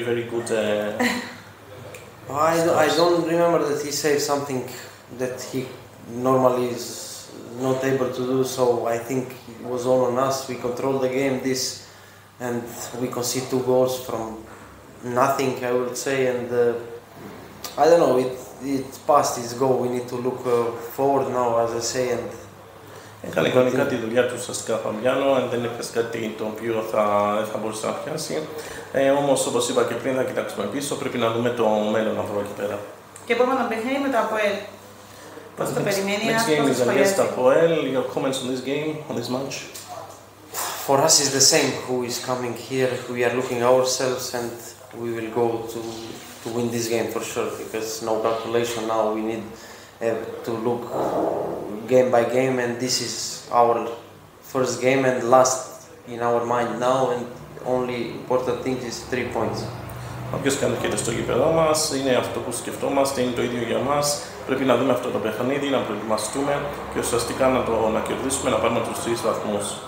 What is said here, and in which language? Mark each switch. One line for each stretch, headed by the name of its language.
English: I don't remember that he said something that he normally is not able to do, so I think it was all on us. We controlled the game this and we conceded 2 goals from nothing, I would say, I don't know, it's past its goal. We need to look forward now, as I say, and
Greek: έκανε κανονικά τη δουλειά του ουσιαστικά Φαμπιάνο, δεν έπιασε κάτι το οποίο θα μπορούσε να πιάσει. Όμως, όπως είπα και πριν, θα κοιτάξουμε πίσω. Πρέπει να δούμε το μέλλον αυτό εκεί πέρα. Και επόμενο παιχνίδι με το ΑΠΟΕΛ. Πώς το περιμένει αυτό?
English: Next game is against the ΑΠΟΕΛ. Your comments on this game, on this match? For us is the same. Who is coming here? We are looking ourselves and we will go to win this game for sure. Because no calculation now. We need to look game by game, and this is our first game and last in our mind now, and only important thing is 3 points.
Greek: Όποιος κάνει και στο γήπεδό μας, είναι αυτό που σκεφτόμαστε, είναι το ίδιο για μας. Πρέπει να δούμε αυτό το παιχνίδι, να προετοιμαστούμε και ουσιαστικά να κερδίσουμε, να πάρουμε τους 3 βαθμούς.